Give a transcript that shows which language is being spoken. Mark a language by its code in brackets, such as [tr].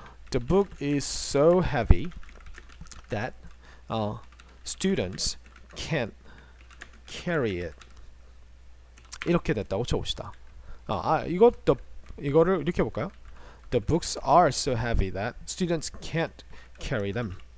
[en] The book is so heavy that students can't carry it. [ko] 이렇게 됐다고 쳐봅시다. 이거를 이렇게 해볼까요? [en] The books are so heavy that students can't carry them.